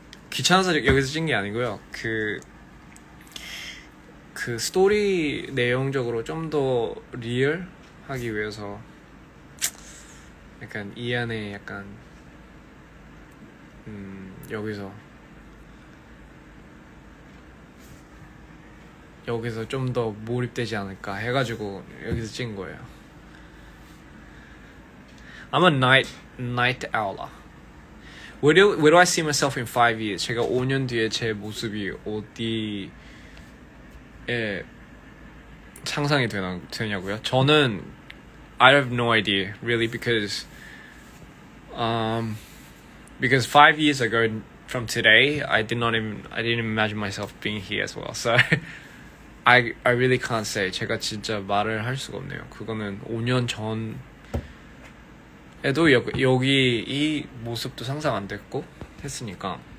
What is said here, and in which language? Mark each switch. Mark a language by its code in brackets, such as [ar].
[ko] 귀찮아서 여기서 찍은 게 아니고요. 그 스토리 내용적으로 좀 더 리얼하기 위해서 약간 이 안에 약간 여기서 여기서 좀 더 몰입되지 않을까 해가지고 여기서 찍은 거예요. [en] I'm a night owler. Where do I see myself in 5 years? [ko] 제가 5년 뒤에 제 모습이 어디에 상상이 되냐고요? 저는 [en] I have no idea really because 5 years ago from today, I didn't imagine myself being here as well. So. I really can't say. [ko] 제가 진짜 말을 할 수가 없네요. 그거는 5년 전에도 여기 이 모습도 상상 안 됐고 했으니까.